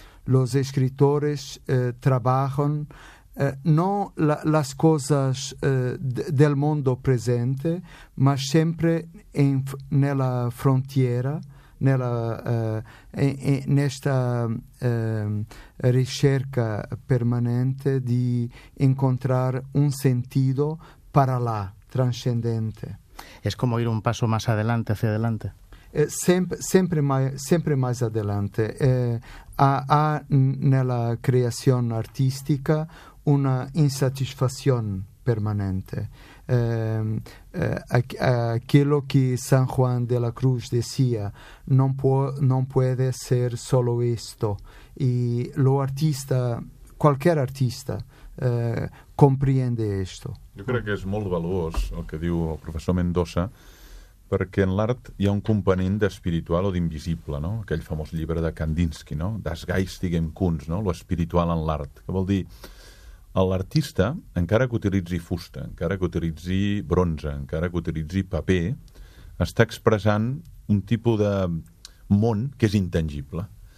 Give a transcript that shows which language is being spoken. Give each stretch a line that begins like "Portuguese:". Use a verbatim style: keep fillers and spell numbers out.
Spanish: Los escritores eh, trabajan eh, no la, las cosas eh, de, del mundo presente, mas siempre en,
Italian: nella frontiera, nella,
Spanish: eh, en esta eh,
Italian: ricerca permanente
Spanish: de encontrar un sentido para la trascendente. Es como ir un paso más adelante, hacia adelante.
Italian: Eh, sempre, sempre, mai, sempre mais adelante eh, ha, ha nella creazione artistica una insatisfazione permanente.
Spanish: Eh, eh, aquello che San Juan de la Cruz decía,
Italian: non può,
Spanish: non puede ser solo esto. Y lo artista, cualquier artista, eh, comprende esto.
Catalan: Jo crec que és molt valuós el que diu el professor Mendoza, perquè en l'art hi ha un component d'espiritual o d'invisible, no? Aquell famós llibre de Kandinsky, no?
German: Das Geistige im Kunst,
Catalan: no? Lo espiritual en l'art. Que vol dir, l'artista, encara que utilitzi fusta, encara que utilitzi bronze, encara que utilitzi paper, està expressant un tipus de món que és intangible.